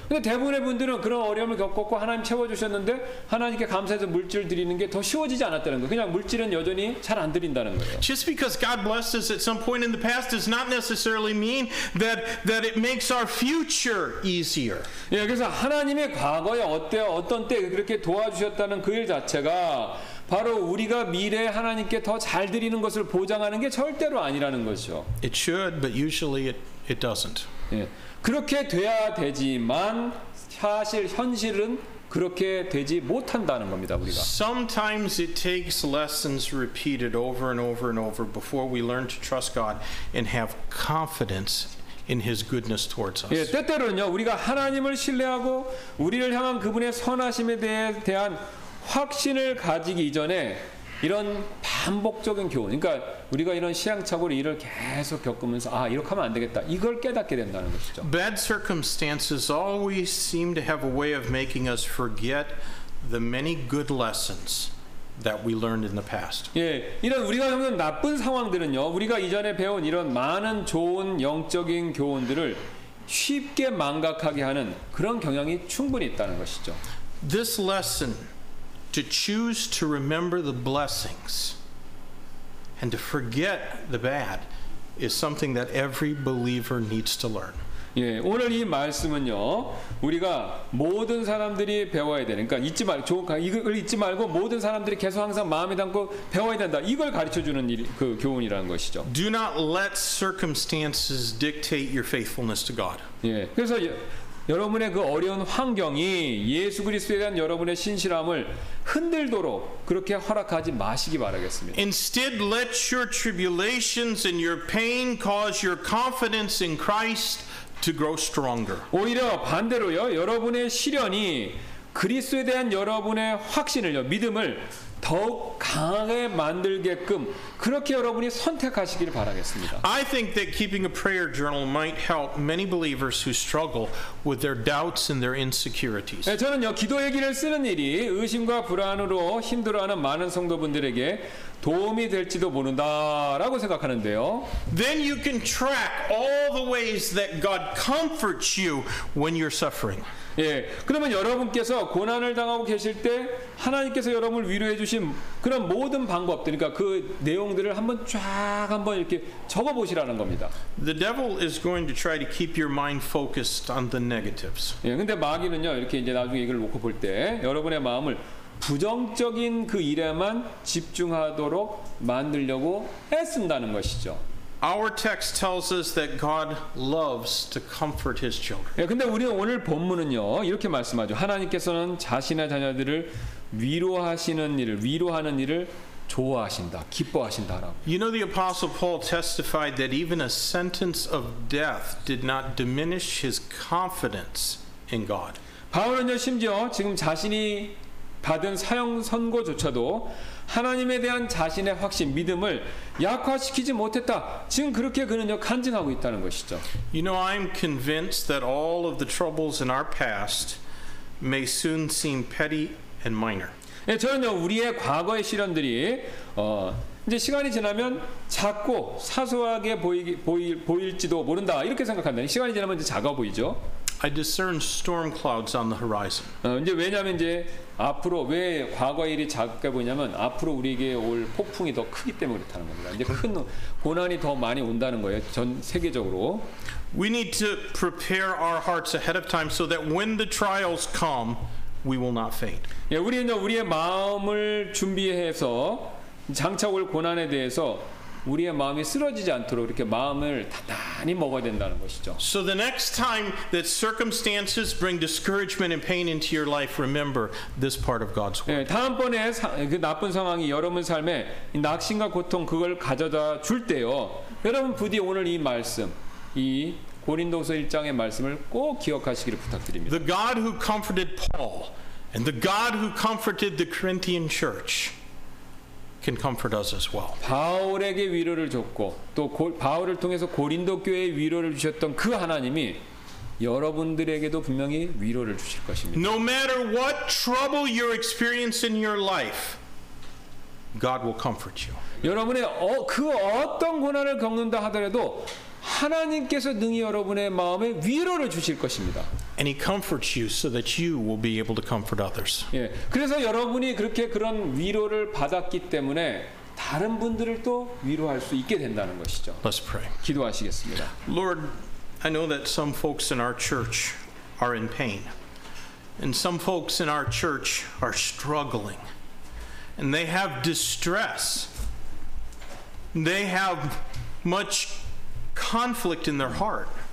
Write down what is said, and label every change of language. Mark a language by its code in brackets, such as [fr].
[ko] 근데 대부분의 분들은 그런 어려움을 겪었고 하나님 채워주셨는데 하나님께 감사해서 물질 드리는 게 더 쉬워지지 않았다는 거. 그냥 물질은 여전히 잘 안 드린다는 거예요. [en] Just because God blessed us at some point in the past does not necessarily mean that it makes our future easier. [ko] 예, 그래서 하나님의 과거에 어때요? 어떤 때 그렇게 도와주셨다는 그 일 자체가 바로 우리가 미래에 하나님께 더 잘 드리는 것을 보장하는 게 절대로 아니라는 것이죠. [en] It should, but usually it doesn't. [ko] 예, 그렇게 돼야 되지만 사실 현실은 그렇게 되지 못한다는 겁니다, 우리가. [en] Sometimes it takes lessons repeated over and over and over before we learn to trust God and have confidence in His goodness towards us. [ko] 예, 때때로는요, 우리가 하나님을 신뢰하고 우리를 향한 그분의 선하심에 대한 확신을 가지기 이전에 이런 반복적인 교훈, 그러니까 우리가 이런 시행착오를 일을 계속 겪으면서 아 이렇게 하면 안 되겠다 이걸 깨닫게 된다는 것이죠. [en] Bad circumstances always seem to have a way of making us forget the many good lessons that we learned in the past. [ko] 예, 이런 우리가 겪는 나쁜 상황들은요, 우리가 이전에 배운 이런 많은 좋은 영적인 교훈들을 쉽게 망각하게 하는 그런 경향이 충분히 있다는 것이죠. [en] This lesson. To choose to remember the blessings and to forget the bad is something that every believer needs to learn. [ko] 예, 오늘 이 말씀은요, 우리가 모든 사람들이 배워야 되는, 그러니까 잊지 말고, 이걸 잊지 말고 모든 사람들이 계속 항상 마음에 담고 배워야 된다. 이걸 가르쳐주는 일, 그 교훈이라는 것이죠. [en] Do not let circumstances dictate your faithfulness to God. [ko] 예, 그래서 여러분의 그 어려운 환경이 예수 그리스도에 대한 여러분의 신실함을 흔들도록 그렇게 허락하지 마시기 바라겠습니다. [en] Instead, let your tribulations and your pain cause your confidence in Christ to grow stronger. [ko] 오히려 반대로요, 여러분의 시련이 그리스도에 대한 여러분의 확신을요, 믿음을 더욱 강하게 만들게끔 그렇게 여러분이 선택하시기를 바라겠습니다. [en] I think that keeping a prayer journal might help many believers who struggle with their doubts and their insecurities. [ko] 네, 저는요, 기도 일기를 쓰는 일이 의심과 불안으로 힘들어하는 많은 성도분들에게 도움이 될지도 모른다라고 생각하는데요. [en] Then you can track all the ways that God comforts you when you're suffering. [ko] 예, 그러면 여러분께서 고난을 당하고 계실 때 하나님께서 여러분을 위로해 주신 그런 모든 방법들, 그러니까 그 내용들을 한번 쫙 한번 이렇게 적어 보시라는 겁니다. [en] The devil is going to try to keep your mind focused on the negatives. [ko] 예, 근데 마귀는요, 이렇게 이제 나중에 이걸 놓고 볼 때 여러분의 마음을 부정적인 그 일에만 집중하도록 만들려고 애쓴다는 것이죠. [en] Our text tells us that God loves to comfort His children. [ko] 예, 근데 우리 오늘 본문은요 이렇게 말씀하죠. 하나님께서는 자신의 자녀들을 위로하시는 일을 위로하는 일을 좋아하신다, 기뻐하신다라고. [en] You know, the Apostle Paul testified that even a sentence of death did not diminish his confidence in God. [ko] 바울은요 심지어 지금 자신이 받은 사형 선고조차도 하나님에 대한 자신의 확신, 믿음을 약화시키지 못했다. 지금 그렇게 그는요 간증하고 있다는 것이죠. [en] You know, I'm convinced that all of the troubles in our past may soon seem petty and minor. [ko] 예, 저는요 우리의 과거의 시련들이 이제 시간이 지나면 작고 사소하게 보일지도 모른다. 이렇게 생각한다. 시간이 지나면 이제 작아 보이죠. I discern storm clouds on the horizon. 이제 왜냐하면 이제 앞으로 왜 과거 일이 작게 보이냐면 앞으로 우리에게 올 폭풍이 더 크기 때문에 그렇다는 겁니다. 이제 큰 고난이 더 많이 온다는 거예요. 전 세계적으로. [en] We need to prepare our hearts ahead of time so that when the trials come, we will not faint. [ko] 예, 우리는요 우리의 마음을 준비해서 장차 올 고난에 대해서. 우리의 마음이 쓰러지지 않도록 이렇게 마음을 단단히 먹어야 된다는 것이죠. [en] So the next time that circumstances bring discouragement and pain into your life, remember this part of God's word. [ko] 예, 다음번에 그 나쁜 상황이 여러분 삶에 낙심과 고통 그걸 가져다 줄 때요. 여러분 부디 오늘 이 말씀, 이 고린도서 1장의 말씀을 꼭 기억하시기를 부탁드립니다. [en] The God who comforted Paul and the God who comforted the Corinthian church. Can comfort us as well. [ko] 바울에게 위로를 줬고 또 바울을 통해서 고린도 교회에 위로를 주셨던 그 하나님이 여러분들에게도 분명히 위로를 주실 것입니다. [en] No matter what trouble you're experiencing in your life, God will comfort you. [ko] 여러분의 그 어떤 고난을 겪는다 하더라도 하나님께서 능히 여러분의 마음에 위로를 주실 것입니다. [en] And he comforts you so that you will be able to comfort others. [ko] 예, 그래서 여러분이 그렇게 그런 위로를 받았기 때문에 다른 분들을 또 위로할 수 있게 된다는 것이죠. [en] Let's pray. [ko] 기도하시겠습니다. [en] Lord, I know that some folks in our church are in pain. And some folks in our church are struggling. And they have distress. They have much conflict in their heart.